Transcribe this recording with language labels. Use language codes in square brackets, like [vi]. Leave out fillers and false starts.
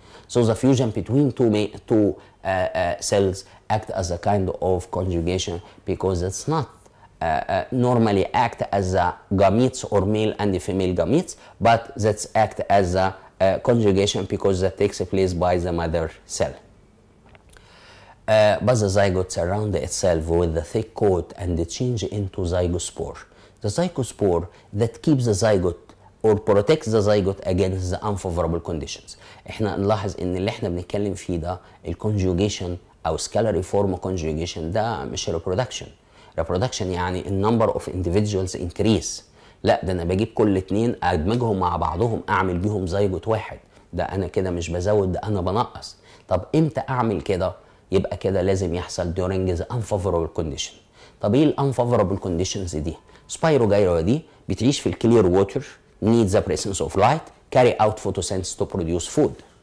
[en] So the fusion between two cells act as a kind of conjugation because it's not normally act as a gametes or male and the female gametes, but that's act as a conjugation because that takes place by the mother cell. But the zygote surround itself with a thick coat and change into zygospore. The zygospore that keeps the zygote or protects the zygote against the unfavorable conditions. [ar] احنا نلاحظ ان اللي احنا بنتكلم فيه ده الconjugation او [en] scalary form of conjugation [ar] ده مش reproduction. [en] Reproduction [ar] يعني [en] the number of individuals increase. [ar] لا ده انا بجيب كل اتنين ادمجهم مع بعضهم اعمل بيهم زيجوت واحد. ده انا كده مش بزود ده انا بنقص. طب امتى اعمل كده؟ يبقى كده لازم يحصل [en] during the unfavorable condition. [ar] طب ايه unfavorable conditions دي؟ سبايرو جايرو دي بتعيش في الكلير ووتر [en] needs the presence of light, carry out photosynthesis to produce food.